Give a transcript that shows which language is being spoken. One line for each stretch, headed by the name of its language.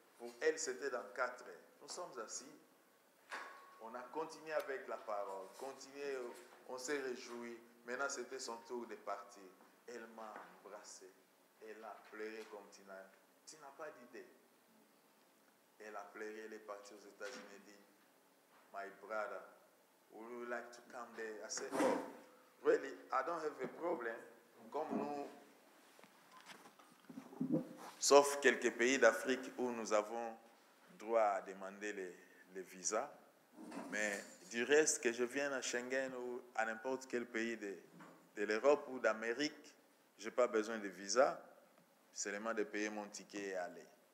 French: Pour elle, c'était dans 4 heures. Nous sommes assis. On a continué avec la parole. Continué, on s'est réjoui. Maintenant, c'était son tour de partir. Elle m'a embrassé. Elle a pleuré comme tu n'as pas d'idée. Elle a pleuré. Elle est partie aux États-Unis. Elle dit,
English: my brother, would you like to come there? I said, oh, really, I don't have a problem.
French: Comme nous, sauf quelques pays d'Afrique où nous avons droit à demander les visas, mais du reste, que je vienne à Schengen ou à n'importe quel pays de l'Europe ou d'Amérique, je n'ai pas besoin de visa, seulement de payer mon ticket et aller.